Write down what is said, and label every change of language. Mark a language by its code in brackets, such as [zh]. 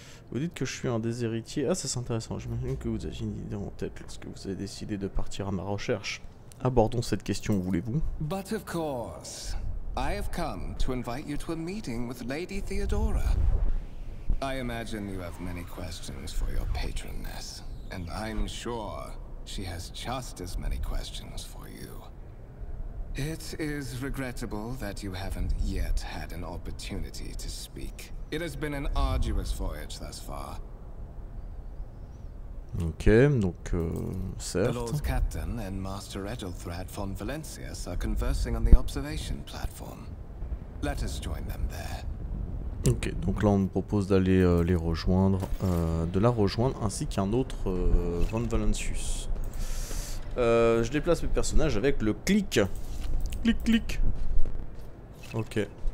[fr] Vous dites que je suis un des héritiers. Ah, ça c'est intéressant. J'imagine que vous aviez une idée en tête lorsque vous avez décidé de partir à ma recherche. Abordons cette question, voulez-vous? [en] But of course, I have come to invite you to a meeting with Lady Theodora. I imagine you have many questions for your patroness, and I'm sure she has just as many questions for you. It is regrettable that you haven't yet had an opportunity to speak. It has been an arduous voyage thus far. [fr] Okay, donc certes. [en] The Lord Captain and Master Edelthrad von Valencius are conversing on the observation platform. Let us join them there. [fr] Ok, donc là on me propose d'aller les rejoindre, de la rejoindre ainsi qu'un autre von Valencius. Je déplace mes personnages avec le clic. Clic, clic. Ok.